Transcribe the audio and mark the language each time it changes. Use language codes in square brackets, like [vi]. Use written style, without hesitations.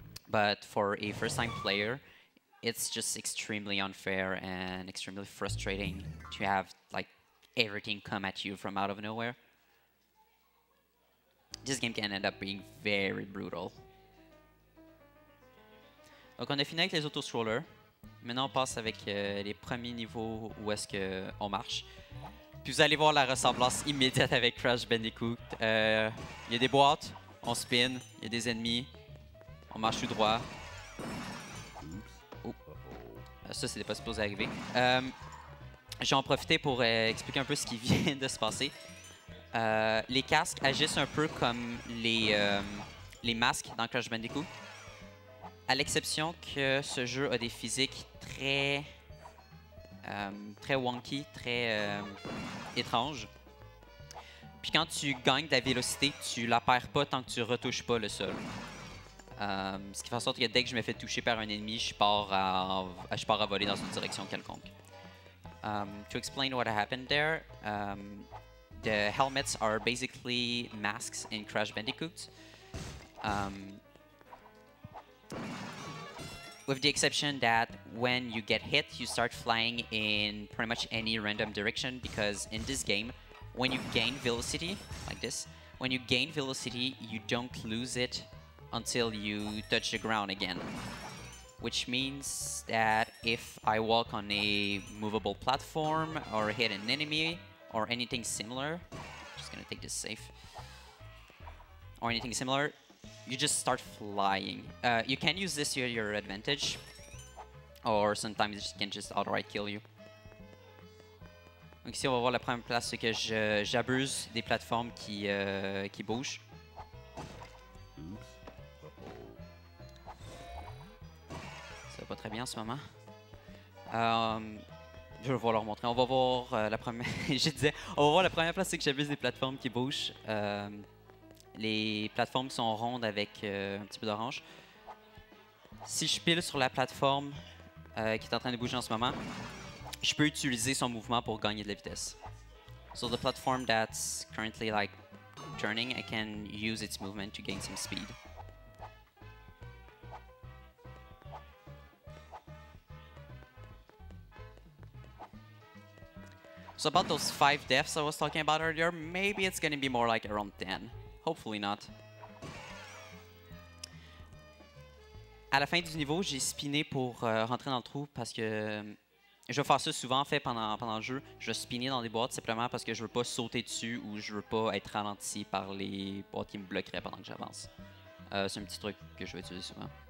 [en] But for a first-time player, it's just extremely unfair and extremely frustrating to have like everything come at you from out of nowhere. This game can end up being very brutal. [fr] Donc on a fini avec les auto-scrollers. Maintenant on passe avec les premiers niveaux où est-ce qu'on marche. Puis vous allez voir la ressemblance immédiate avec Crash Bandicoot. Il y a des boîtes, on spin, il y a des ennemis, on marche tout droit. Oh. Ça c'était pas supposé arriver. J'ai en profité pour expliquer un peu ce qui vient de se passer. Les casques agissent un peu comme les masques dans Crash Bandicoot. À l'exception que ce jeu a des physiques très très wonky, très étranges. Puis quand tu gagnes de la vélocité, tu la perds pas tant que tu retouches pas le sol. Ce qui fait en sorte que dès que je me fais toucher par un ennemi, je pars à voler dans une direction quelconque. [en] To explain what happened there, the helmets are basically masks in Crash Bandicoot. With the exception that when you get hit, you start flying in pretty much any random direction, because in this game, when you gain velocity, like this, when you gain velocity, you don't lose it until you touch the ground again. Which means that if I walk on a movable platform or hit an enemy or anything similar, I'm just gonna take this safe, or anything similar, you just start flying. You can use this to your advantage, or sometimes it can just outright kill you. [fr] Donc ici, on va voir la première place, c'est que j'abuse des plateformes qui bougent. Ça va pas très bien en ce moment. Je vais leur montrer. On va voir la première. Je disais, on va voir la première place, c'est que j'abuse des plateformes qui bougent. Les plateformes sont rondes avec un petit peu d'orange. Si je pile sur la plateforme qui est en train de bouger en ce moment, je peux utiliser son mouvement pour gagner de la vitesse. [en] So the platform that's currently like turning, I can use its movement to gain some speed. So about those 5 deaths I was talking about earlier, maybe it's gonna be more like around 10. Hopefully not. [fr] À la fin du niveau, j'ai spiné pour rentrer dans le trou parce que je vais faire ça souvent en fait pendant le jeu. Je vais spinner dans des boîtes simplement parce que je veux pas sauter dessus ou je veux pas être ralenti par les boîtes qui me bloqueraient pendant que j'avance. C'est un petit truc que je vais utiliser souvent.